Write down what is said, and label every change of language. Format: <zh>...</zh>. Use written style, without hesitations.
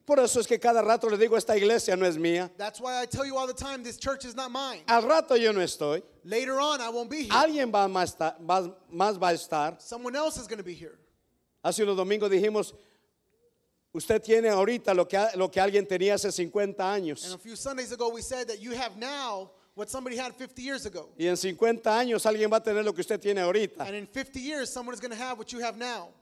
<es>Por eso es que cada rato le digo, esta iglesia no es mía.</es> <en>That's why I tell you all the time, this church is not mine.</en> <es>Al rato yo no estoy.</es> <en>Later on, I won't be here.</en> <es>Alguien va a estar.</es> <en>Someone else is going to be here.</en> <es>Hace unos domingos dijimos, usted tiene ahorita lo que alguien tenía hace 50 años.</es> <en>And a few Sundays ago we said that you have now what somebody had 50 years ago.</en> <es>Y en 50 años alguien va a tener lo que usted tiene ahorita.</es> <en>And in 50 years someone is going to have what you have now.</en>